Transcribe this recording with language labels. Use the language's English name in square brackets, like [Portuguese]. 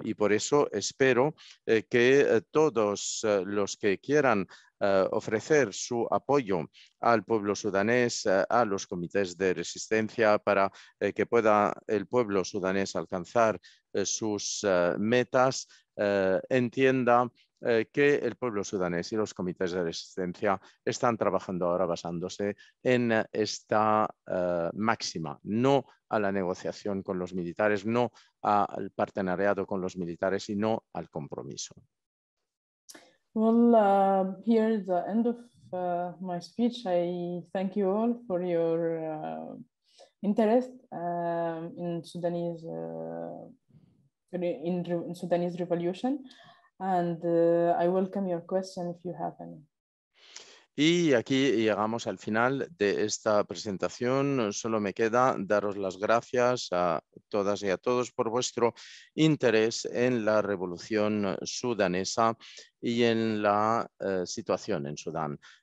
[Spanish] Y por eso espero que todos los que quieran ofrecer su apoyo al pueblo sudanés, a los comités de resistencia, para que pueda el pueblo sudanés alcanzar sus metas, entienda que el pueblo sudanés y los comités de resistencia están trabajando ahora basándose en esta máxima: no a la negociación con los militares, no al partenariado con los militares y no al compromiso. [English] Well, here is the end of my speech. I thank you all for your interest in Sudanese revolution. And I welcome your question if you have any. [Spanish] Y aquí llegamos al final de esta presentación. Solo me queda daros las gracias a todas y a todos por vuestro interés en la revolución sudanesa y en la situación en Sudán.